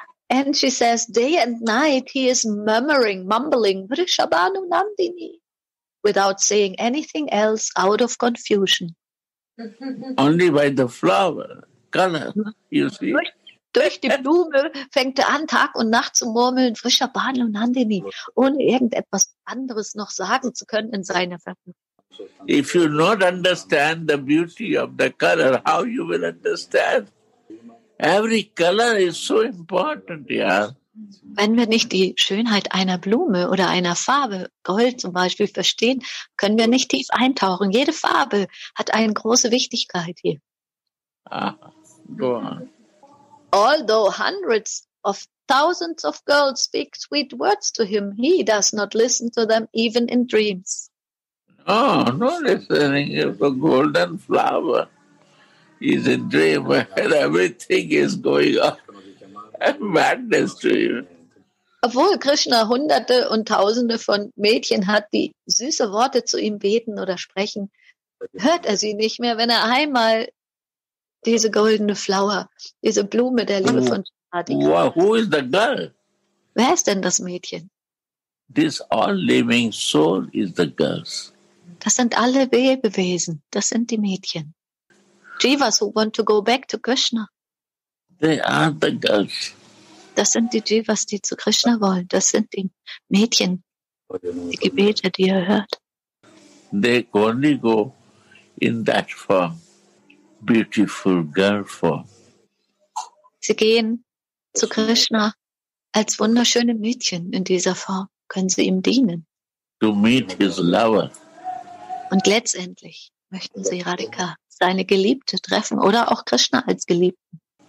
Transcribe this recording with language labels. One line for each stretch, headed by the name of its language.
English: And she says, day and night he is mumbling, Vrishabhanu Nandini, without saying anything else out of confusion. Only by the flower, color, you see.
German: Durch die Blume fängt er an, Tag und Nacht zu murmeln, Vrishabhanu Nandini, ohne irgendetwas anderes noch sagen zu können in seiner Verbindung.
English: If you not understand the beauty of the color, how you will understand? Every color is so important, yeah.
German: Wenn wir nicht die Schönheit einer Blume oder einer Farbe, Gold zum Beispiel, verstehen, können wir nicht tief eintauchen. Jede Farbe hat eine große Wichtigkeit hier.
English: Go on. Although hundreds of thousands of girls speak sweet words to him, he does not listen to them even in dreams. Oh, no listening if a golden flower is a dream and everything is going on. Madness to you.
German: Obwohl Krishna hunderte und tausende von Mädchen hat, die süße Worte zu ihm beten oder sprechen, hört er sie nicht mehr, wenn er einmal diese goldene Flower, diese Blume der Liebe von
English: Shadi. Well, who is the girl?
German: Wer ist denn das Mädchen?
English: This all living soul is the girls.
German: Das sind alle Lebewesen, das sind die Mädchen.
English: Jivas who want to go back to Krishna. They are the girls.
German: Das sind die Jivas, die zu Krishna wollen. Das sind die Mädchen, die Gebete, die er hört.
English: They only go in that form, beautiful girl form.
German: Sie gehen zu Krishna als wunderschöne Mädchen in dieser Form. Können sie ihm dienen?
English: To meet his lover.
German: Und letztendlich möchten sie Radhika, seine Geliebte, treffen oder auch Krishna als Geliebten.